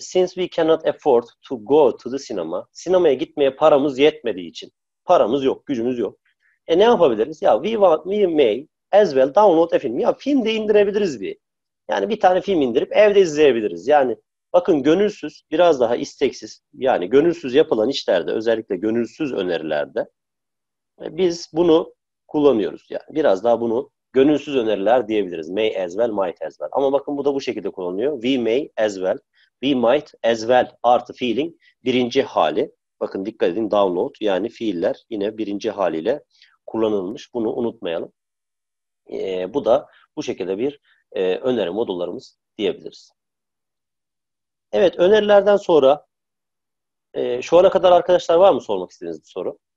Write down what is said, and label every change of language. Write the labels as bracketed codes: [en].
[en] Since we cannot afford to go to the cinema. [tr] Sinemaya gitmeye paramız yetmediği için. Paramız yok, gücümüz yok. Ne yapabiliriz? [en] Ya we may as well download a film. [tr] Ya film de indirebiliriz bir. Yani bir tane film indirip evde izleyebiliriz. Yani bakın gönülsüz, biraz daha isteksiz, yani gönülsüz yapılan işlerde, özellikle gönülsüz önerilerde biz bunu kullanıyoruz. Yani biraz daha bunu gönülsüz öneriler diyebiliriz. [en] May as well, might as well. [tr] Ama bakın bu da bu şekilde kullanılıyor. [en] We may as well, we might as well [tr] artı fiilin birinci hali. Bakın dikkat edin download yani fiiller yine birinci haliyle kullanılmış. Bunu unutmayalım. Bu da bu şekilde bir öneri modullarımız diyebiliriz. Evet, önerilerden sonra şu ana kadar arkadaşlar var mı sormak istediğiniz bir soru?